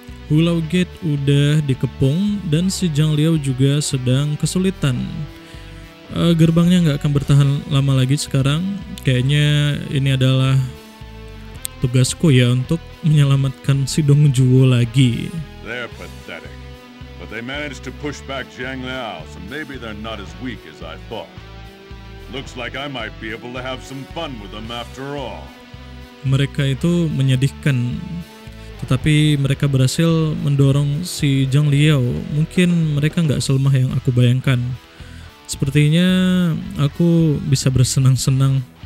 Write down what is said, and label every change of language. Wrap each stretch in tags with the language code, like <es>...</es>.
<id>Hu Lao Gate udah dikepung dan si Zhang Liao juga sedang kesulitan. Gerbangnya nggak akan bertahan lama lagi sekarang. Kayaknya ini adalah tugasku ya untuk menyelamatkan si Dong Zhuo lagi.</id> <en>They're pathetic, but they managed to push back Zhang Liao, so maybe they're not as weak as I thought. Looks like I might be able to have some fun with them after all.</en> <id>Mereka itu menyedihkan. Tetapi mereka berhasil mendorong si Zhang Liao. Mungkin mereka gak selemah yang aku bayangkan. Sepertinya aku bisa bersenang-senang.</id>